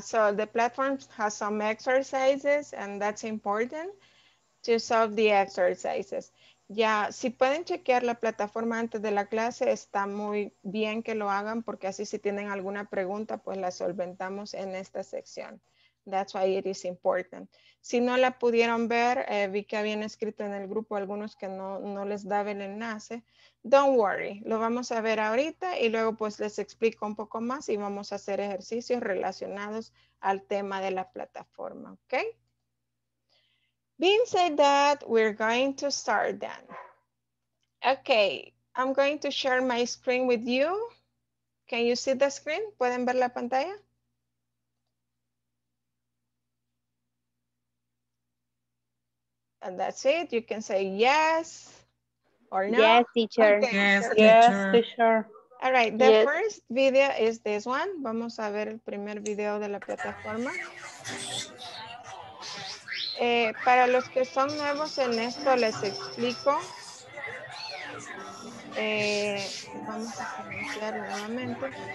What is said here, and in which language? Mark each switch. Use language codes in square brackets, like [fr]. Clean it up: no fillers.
[en] So the platform has some exercises and that's important to solve the exercises. [es] Ya, si pueden chequear la plataforma antes de la clase, está muy bien que lo hagan porque así si tienen alguna pregunta, pues la solventamos en esta sección. [en] That's why it is important. [es] Si no la pudieron ver, vi que habían escrito en el grupo algunos que no les daba el enlace. [en] Don't worry, [es] lo vamos a ver ahorita y luego pues les explico un poco más y vamos a hacer ejercicios relacionados al tema de la plataforma, ¿ok? [en] Being said that, we're going to start then. Okay, I'm going to share my screen with you. Can you see the screen? [es] ¿Pueden ver la pantalla? [en] And that's it. You can say yes or no. Yes, teacher. Okay. Yes, teacher. All right, the first video is this one. [es] Vamos a ver el primer video de la plataforma. Para los que son nuevos en esto, les explico. Vamos a iniciar nuevamente.